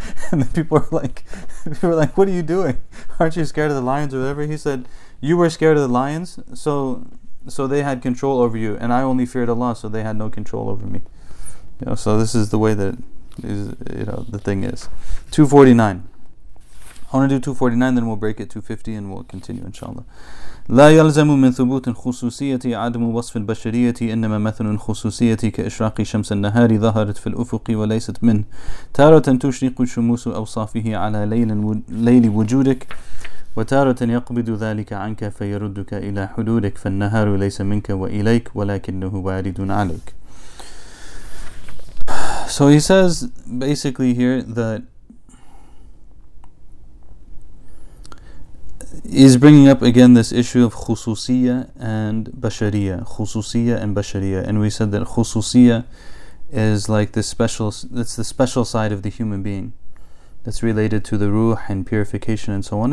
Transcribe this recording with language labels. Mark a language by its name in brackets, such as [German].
[English] And the people were like, "What are you doing? Aren't you scared of the lions or whatever?" He said, "You were scared of the lions, so they had control over you, and I only feared Allah, so they had no control over me." You know, so this is the way that is, you know, the thing is. 249. I want to do 249, then we'll break it 250, and we'll continue, inshallah. [Arabic] لا يلزم من ثبوت الخصوصية عدم وصف البشرية إنما مثل الخصوصية كإشراق شمس النهار ظهرت في الأفق وليست من تارة تشرق الشموس أوصافه على ليل وجودك وتارة يقبض ذلك عنك فيردك إلى حدودك فالنهار ليس منك وإليك ولكنه وارد عليك. [English] So he says basically here that he's bringing up again this issue of khususiyya and bashariyya. Khususiyya and bashariyya. And we said that khususiyya is like the special, it's the special side of the human being that's related to the ruh and purification and so on.